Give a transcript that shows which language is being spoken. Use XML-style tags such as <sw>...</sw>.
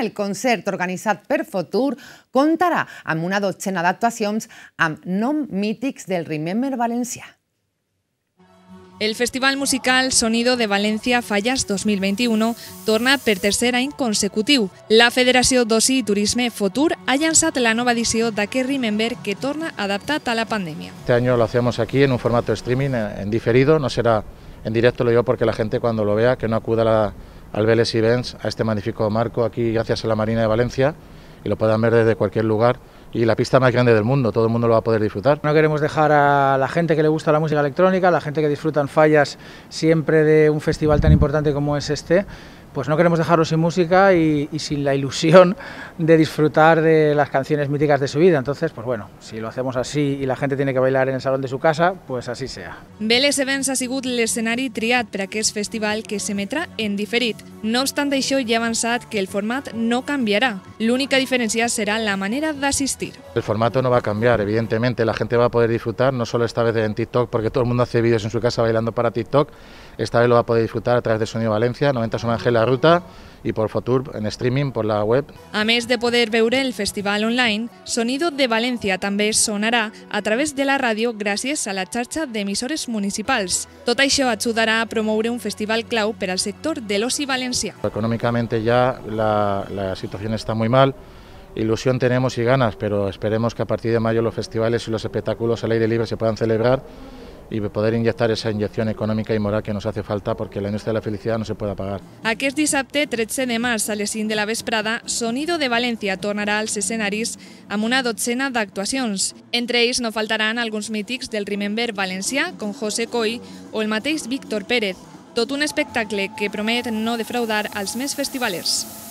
<ca>El concert organizat per Fotur contará amb una dotzena d'actuacions amb nom mítics del Remember Valencia. El Festival Musical Sonido de València Falles 2021 torna per tercer any consecutiu. La Federació d'Oci i Turisme Fotur ha llançat la nova edició d'aquest Remember que torna adaptat a la pandèmia.</ca> <es>Este año lo hacemos aquí en un formato streaming, en diferido, no será en directo, lo digo porque la gente cuando lo vea, que no acuda al Vélez Events, a este magnífico marco aquí gracias a la Marina de València, y lo puedan ver desde cualquier lugar. Y la pista más grande del mundo, todo el mundo lo va a poder disfrutar. No queremos dejar a la gente que le gusta la música electrónica, a la gente que disfruta en Fallas siempre de un festival tan importante como es este, pues no queremos dejarlo sin música y sin la ilusión de disfrutar de las canciones míticas de su vida. Entonces, pues bueno, si lo hacemos así y la gente tiene que bailar en el salón de su casa, pues así sea.</es> <ca>Vélez Events ha sigut l'escenari triat per aquest festival que s'emetrà en diferit. No obstant això, ja ha avançat que el format no canviarà. L'única diferència serà la manera d'assistir.</ca> <es>El formato no va a cambiar, evidentemente. La gente va a poder disfrutar, no solo esta vez en TikTok, porque todo el mundo hace vídeos en su casa bailando para TikTok. Esta vez lo va a poder disfrutar a través de Sonido Valencia, 90 Sonaje la Ruta y por Fotur en streaming, por la web.</es> <ca>A més de poder veure el festival online, Sonido de Valencia també sonarà a través de la ràdio gràcies a la xarxa d'emissores municipals. Tot això ajudarà a promoure un festival clau per al sector de l'oci valencià. Econòmicament ja la situació està molt mal.</ca> <es>Ilusión tenemos y ganas, pero esperemos que a partir de mayo los festivales y los espectáculos al aire libre se puedan celebrar y poder inyectar esa inyección económica y moral que nos hace falta porque la industria de la felicidad no se puede apagar.</es> <ca>Aquest dissabte, 13 de març, a les 5 de la vesprada, Sonido de València tornarà als escenaris amb una dotzena d'actuacions. Entre ells no faltaran alguns mítics del Remember valencià, com José Coy o el mateix Víctor Pérez. Tot un espectacle que promet no defraudar als més festivalers.</ca>